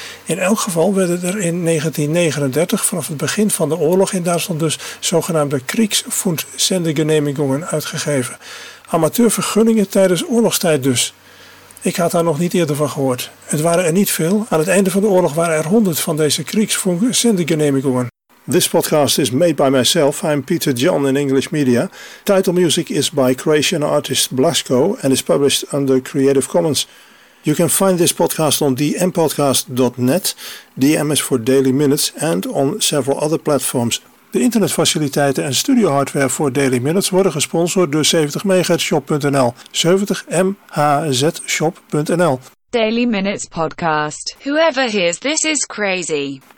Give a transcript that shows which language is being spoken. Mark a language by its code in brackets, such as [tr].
[nl] In elk geval werden er in 1939, vanaf het begin van de oorlog in Duitsland dus, zogenaamde Kriegsfunksendegenehmigungen uitgegeven. Amateurvergunningen tijdens oorlogstijd dus. Ik had daar nog niet eerder van gehoord. Het waren er niet veel. Aan het einde van de oorlog waren er 100 van deze Kriegsfunksendegenehmigungen. [en] This podcast is made by myself. I'm Peter John in English Media. Title music is by Croatian artist Blasko and is published under Creative Commons. You can find this podcast on dmpodcast.net, DM is for Daily Minutes, and on several other platforms. [nl] De internetfaciliteiten en studiohardware voor Daily Minutes worden gesponsord door 70MHzShop.nl. 70MHzShop.nl. [en] Daily Minutes Podcast. Whoever hears this is crazy.